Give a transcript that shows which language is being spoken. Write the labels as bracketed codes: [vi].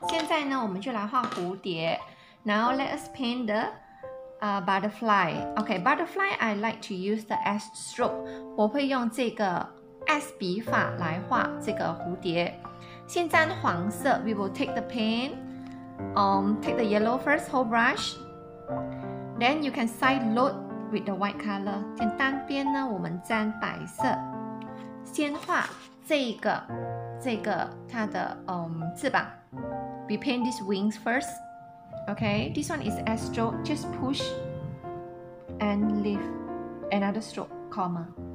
[zh] 现在呢，我们就来画蝴蝶。 [en] Now let us paint the butterfly. Okay, butterfly, I like to use the S stroke. [zh] 我会用这个 S 笔法来画这个蝴蝶。先沾黄色。 [en] We will take the paint. Take the yellow first, whole brush. Then you can side load with the white color. [zh] 先单边呢，我们沾白色，先画这个这个它的翅膀。 [en] We paint these wings first. Okay, this one is a stroke. Just push and leave another stroke, comma.